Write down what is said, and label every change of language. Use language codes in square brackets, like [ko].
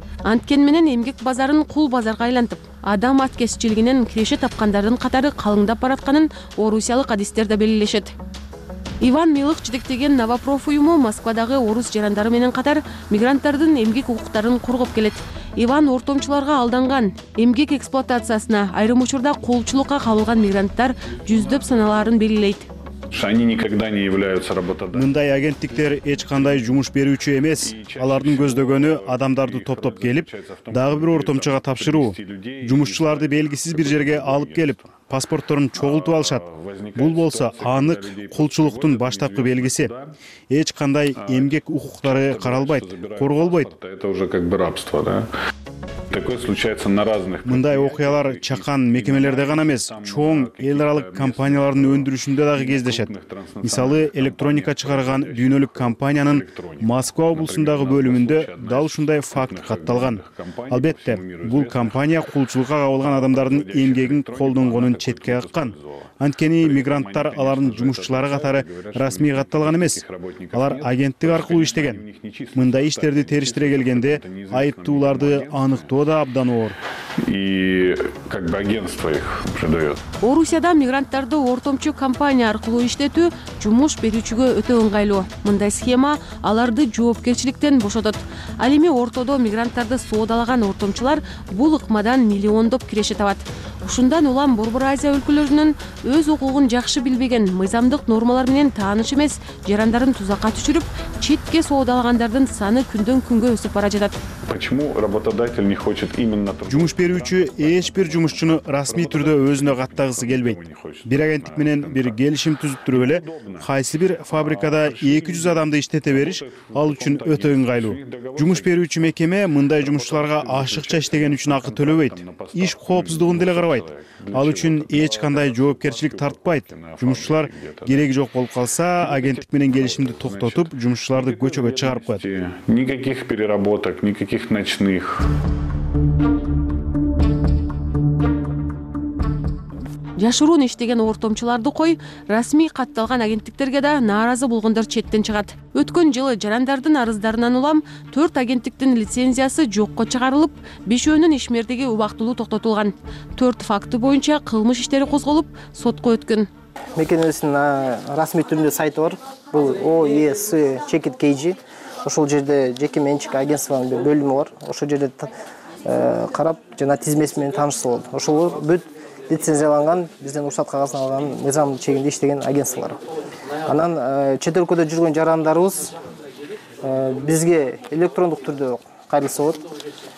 [ky] Анткен менен эмгек базарын кул базарга айлантып, адам аткезчилигинен киреше тапкандардын катары калыңдап баратканын орусиялык адистер да белгилешет. Иван Милых жетектеген Новопроф уюму Москвадагы орус жарандары менен катар мигранттардын эмгек укуктарын коргоп келет. Иван ортомчуларга алданган, эмгек эксплуатациясына, айрым учурда кулчулукка кабылган мигранттар жүздөп санааларын белгилейт. [ru] Они никогда не являются работодателями. [ky] Мындай агенттиктер эч кандай жумуш берүүчү эмес. Алардын көздөгөнү адамдарды топтоп келип, дагы бир ортомчуга тапшыруу. Жумушчуларды белгисиз бир жерге алып келип, паспортторун чогултуп алышат. Бул болсо анык кулчулуктун баштапкы белгиси. Эч кандай эмгек укуктары каралбайт, корголбойт. [ru] Это уже как бы рабство, да? Такое случается на разных. [ky] Мындай окуялар чакан мекемелерде гана эмес, чоң эл аралык компаниялардын өндүрүшүндө дагы кездешет. Мисалы, электроника чыгарган дүйнөлүк компаниянын Москва облусундагы бөлүмүндө дал ушундай факт катталган. Албетте, бул компания кулчулукка кабылган адамдардын эмгегин колдонгонун четке аккан. Анткени мигранттар алардын жумушчулары катары расмий катталган эмес. Алар агенттик аркылуу иштеген. Мындай иштерди териштире келгенде айыптууларды анык тоода абдан оор. [ru] И как бы агентство их продаёт. [ky] Орусияда мигранттарды ортомчу компания аркылуу иштетүү жумуш берүүчүгө өтө ыңгайлуу. Мындай схема аларды жоопкерчиликтен бошотот. Ал эми ортодо мигранттарды соодалаган ортомчулар бул ыкмадан миллиондоп киреше табат. Ушундан улам Борбор Азия өлкөлөрүнүн өз укугун жакшы билбеген, мыйзамдык нормалар менен тааныш эмес жарандарын тузакка түшүрүп, четке соодалагандардын саны күндөн-күнгө өсүп бара жатат. [ru] Почему работодатель не хочет именно трудовой? [ky] Жумуш берүүчү эч бир жумушчуну расмий түрдө өзүнө каттагысы келбейт. Бир агенттик менен бир келишим түзүп туруп эле, кайсы бир фабрикада 200 адамды иштете бериш ал үчүн өтө ыңгайлуу. Жумуш берүүчү мекеме мындай жумушчуларга ашыкча иштеген үчүн акы төлөбөйт. Иш коопсуздугун деле карабайт. Ал үчүн эч кандай жоопкерчилик тартпайт. Жумушчулар кереги жок болуп калса, агенттик менен келишимди токтотуп, жумушчуларды көчөгө чыгарып коет. [ru] Никаких переработок, никаких ночных. [ky] Жашыруун иштеген ортомчуларды кой, расмий катталган агенттиктерге да нааразы болгондор четтен чыгат. Өткөн жылы жарандардын арыздарынан улам 4 агенттиктин лицензиясы жокко чыгарылып, бешөөнүн ишмердиги убактылуу токтотулган. 4 факты боюнча кылмыш иштери козголуп, сотко өткөн. Мекенебиздин расмий түрүндө сайты бар. Бул OES Checked KG. Ошол жерде жеке менчик агентствонун бир бөлүмү бар. Ошол жерде карап жана тизмеси менен таанышса болот. Ошол бүт лицензияланган, бизден уруксат кагазын алган, мыйзам чегинде иштеген агентствалар. Анан чет өлкөдө жүргөн жарандарыбыз бизге электрондук түрдө кайрылса болот.